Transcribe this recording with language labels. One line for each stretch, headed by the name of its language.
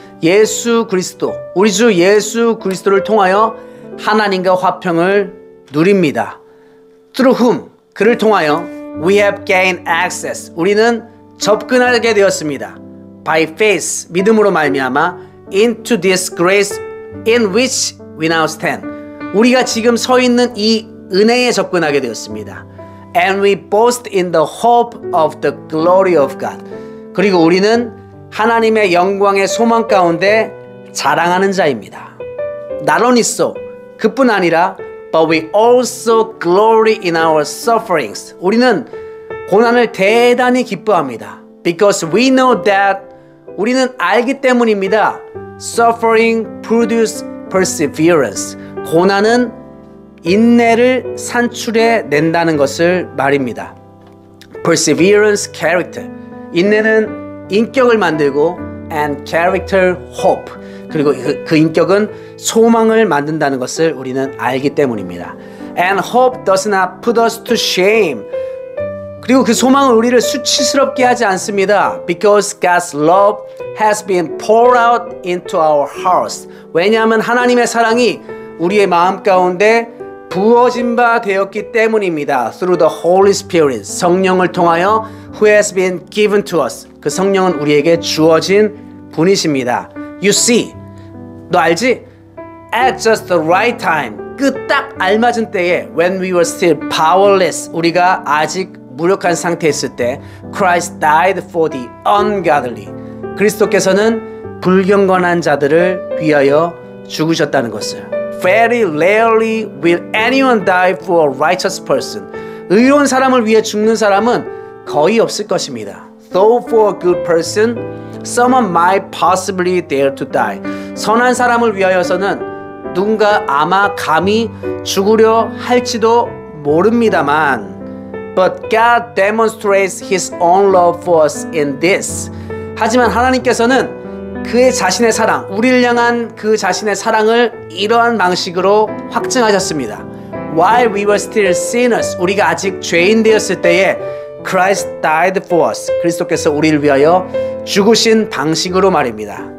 Korean: 예수 그리스도, 우리 주 예수 그리스도를 통하여 하나님과 화평을 누립니다.
English: Through whom,
Korean: 그를 통하여
English: we have gained access.
Korean: 우리는 접근하게 되었습니다.
English: By faith,
Korean: 믿음으로 말미암아
English: into this grace in which we now stand.
Korean: 우리가 지금 서 있는 이 은혜에 접근하게 되었습니다.
English: And we boast in the hope of the glory of God.
Korean: 그리고 우리는 하나님의 영광의 소망 가운데 자랑하는 자입니다.
English: Not only so,
Korean: 그뿐 아니라
English: but we also glory in our sufferings.
Korean: 우리는 고난을 대단히 기뻐합니다.
English: Because we know that
Korean: 우리는 알기 때문입니다.
English: Suffering produces perseverance.
Korean: 고난은 인내를 산출해 낸다는 것을 말입니다.
English: Perseverance character.
Korean: 인내는 인격을 만들고
English: and character hope.
Korean: 그리고 그 인격은 소망을 만든다는 것을 우리는 알기 때문입니다.
English: And hope does not put us to shame.
Korean: 그리고 그 소망은 우리를 수치스럽게 하지 않습니다.
English: Because God's love has been poured out into our hearts.
Korean: 왜냐하면 하나님의 사랑이 우리의 마음 가운데 부어진 바 되었기 때문입니다.
English: Through the Holy Spirit,
Korean: 성령을 통하여
English: who has been given to us.
Korean: 그 성령은 우리에게 주어진 분이십니다.
English: You see,
Korean: 너 알지?
English: At just the right time,
Korean: 그 딱 알맞은 때에
English: when we were still powerless,
Korean: 우리가 아직 무력한 상태에 있을 때
English: Christ died for the ungodly.
Korean: 그리스도께서는 불경건한 자들을 위하여 죽으셨다는 것을.
English: Very rarely will anyone die for a righteous person.
Korean: 의로운 사람을 위해 죽는 사람은 거의 없을 것입니다.
English: Though for a good person, someone might possibly dare to die.
Korean: 선한 사람을 위하여서는 누군가 아마 감히 죽으려 할지도 모릅니다만.
English: But God demonstrates His own love for us in this.
Korean: 하지만 하나님께서는 그의 자신의 사랑, 우리를 향한 그 자신의 사랑을 이러한 방식으로 확증하셨습니다.
English: While we were still sinners,
Korean: 우리가 아직 죄인 되었을 때에
English: Christ died for us.
Korean: 그리스도께서 우리를 위하여 죽으신 방식으로 말입니다.